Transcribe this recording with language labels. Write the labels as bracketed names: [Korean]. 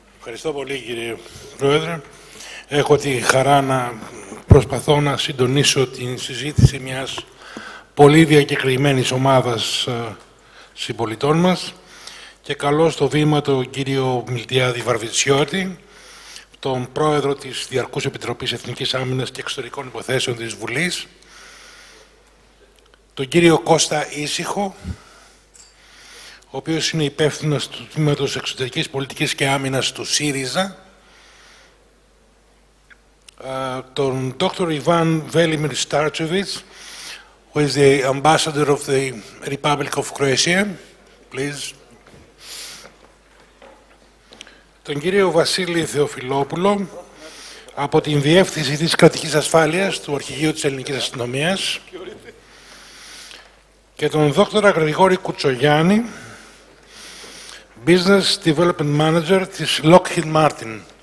[Greek] Ευχαριστώ πολύ, κύριε Πρόεδρε. Έχω τη χαρά να προσπαθώ να συντονίσω την συζήτηση μιας πολύ διακεκριμένης ομάδας συμπολιτών μας και καλώ στο βήμα τον κύριο Μιλτιάδη Βαρβιτσιώτη, τον Πρόεδρο της Διαρκούς Επιτροπής Εθνικής Άμυνας και Εξωτερικών Υποθέσεων της Βουλής, τον κύριο Κώστα Ίσυχο, ο οποίος είναι υπεύθυνος του Τμήματος Εξωτερικής Πολιτικής και Άμυνας του ΣΥΡΙΖΑ, τον Dr. [English] Ivan Velimir Starčević, who is the Ambassador of the Republic of Croatia, please. [Greek] Τον κύριο Βασίλη Θεοφιλόπουλο, από την Διεύθυνση της Κρατικής Ασφάλειας του Αρχηγείου της Ελληνικής Αστυνομίας, και τον Δόκτωρα Γρηγόρη Κουτσογιάννη, [English] Business Development Manager [Greek] της Lockheed Martin.